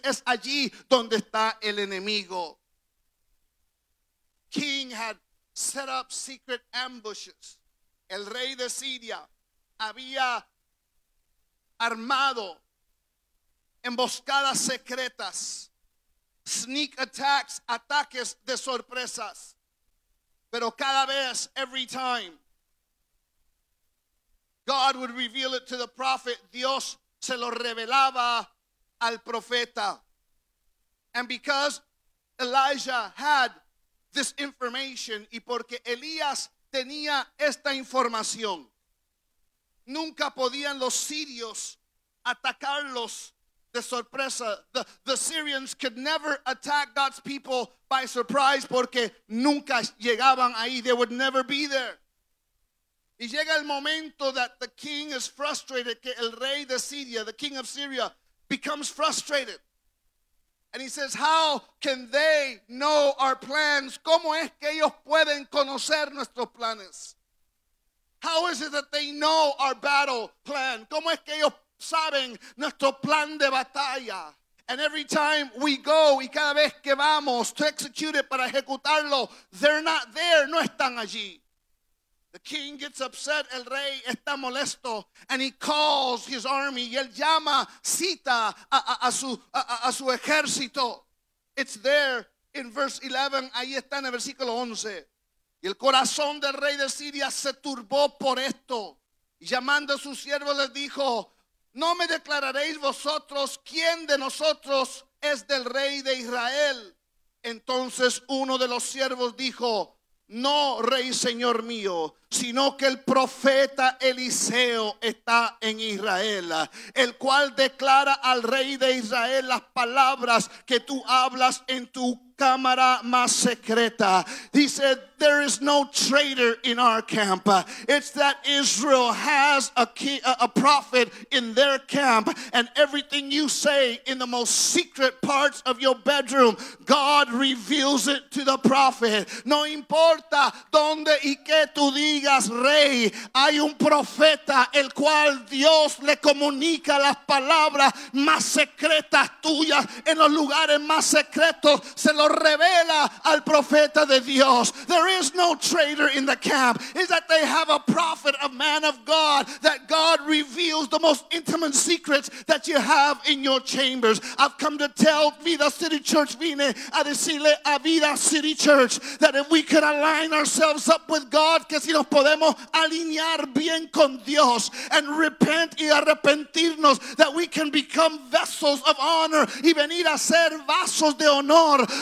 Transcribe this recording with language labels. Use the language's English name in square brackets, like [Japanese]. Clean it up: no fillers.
[Spanish] Es allí donde está el enemigo. [English] King had set up secret ambushes. [Spanish] El rey de Siria había armado emboscadas secretas. [English] Sneak attacks, [Spanish] ataques de sorpresas. Pero cada vez, [English] every time, God would reveal it to the prophet, [Spanish] Dios se lo revelaba al profeta. [English] And because Elijah had this information, [Spanish] y porque Elías tenía esta información, nunca podían los sirios atacarlos de sorpresa. [English] The Syrians could never attack God's people by surprise [Spanish] porque nunca llegaban ahí. [English] They would never be there. [Spanish] Y llega el momento [English] that the king is frustrated, [Spanish] que el rey de Siria, [English] the king of Syria, becomes frustrated. And he says, how can they know our plans? [Spanish] ¿Cómo es que ellos pueden conocer nuestros planes? [English] How is it that they know our battle plan? [Spanish] ¿Cómo es que ellos saben nuestro plan de batalla? [English] And every time we go, [Spanish] y cada vez que vamos [English] to execute it, [Spanish] para ejecutarlo, [English] they're not there, [Spanish] no están allí. [English] The king gets upset, [Spanish] el rey está molesto, [English] and he calls his army, [Spanish] y él llama, cita a su ejército. [English] It's there in verse 11, [Spanish] ahí está en el versículo 11. Y el corazón del rey de Siria se turbó por esto, y llamando a sus siervos les dijo, no me declararéis vosotros quién de nosotros es del rey de Israel. Entonces uno de los siervos dijo, no, rey, señor mío, sino que el profeta Eliseo está en Israel, el cual declara al rey de Israel las palabras que tú hablas en tu cámara más secreta. [English] He said, there is no traitor in our camp. It's that Israel has a prophet in their camp, and everything you say in the most secret parts of your bedroom, God reveals it to the prophet. [Spanish] No importa donde y que tú digas, rey, hay un profeta el cual Dios le comunica las palabras más secretas tuyas en los lugares más secretos. Se lo revela al profeta de Dios. [English] There is no traitor in the camp. Is that they have a prophet, a man of God, that God reveals the most intimate secrets that you have in your chambers. I've come to tell Vida City Church, [Spanish] vine a decirle a [English] Vida City Church, that if we could align ourselves up with God, [Spanish] que si nos podemos alinear bien con Dios, [English] and repent [Spanish] y arrepentirnos, [English] that we can become vessels of honor [Spanish] y venir a ser vasos de honor,